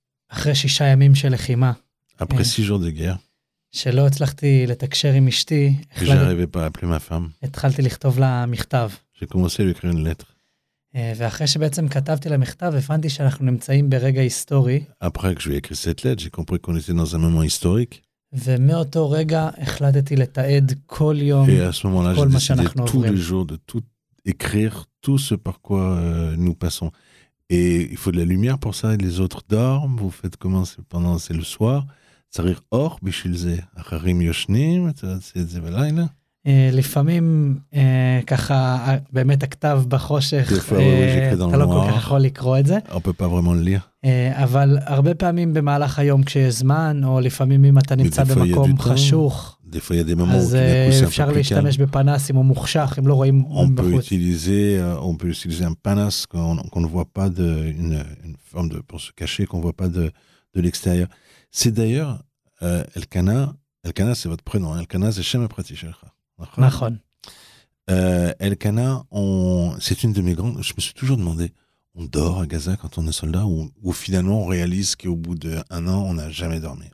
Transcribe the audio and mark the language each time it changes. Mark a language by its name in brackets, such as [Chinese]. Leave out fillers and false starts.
[French] Après six jours de guerre, je n'arrivais pas à appeler ma femme. J'ai commencé à lui écrire une lettre. Après que je lui ai écrit cette lettre, j'ai compris qu'on était dans un moment historique. [Hebrew] ומאותו רגע החלטתי לתעד כל יום, כל מה שאנחנו עוברים. [French] Tous les jours, de tout écrire, tout ce par quoi nous passons. Et il faut de la lumière pour ça, et les autres dorment, vous faites comment pendant, c'est le soir. [Hebrew] צריך אור בשביל זה, אחרים יושנים, אתה עושה את זה בלילה. לפעמים, ככה, באמת הכתב בחושך, אתה לא כל כך יכול לקרוא את זה. [French] On peut pas vraiment lire. [Hebrew] אבל הרבה פעמים במהלך היום כשיש זמן, או לפעמים אם אתה נמצא במקום חשוך, אז אפשר להשתמש בפנס אם הוא מוחשך, אם לא רואים בחוץ. [French] On peut utiliser un panas qu'on ne voit pas, une forme de, pour se cacher, qu'on ne voit pas de l'extérieur. C'est d'ailleurs, Elkana, Elkana c'est votre prénom, Elkana c'est [Hebrew] Shem Prati Shelcha. נכון. [French] Elkana, c'est une de mes grandes, je me suis toujours demandé, on dort à Gaza quand on est soldat ou finalement on réalise qu'au bout d'un an on n'a jamais dormi.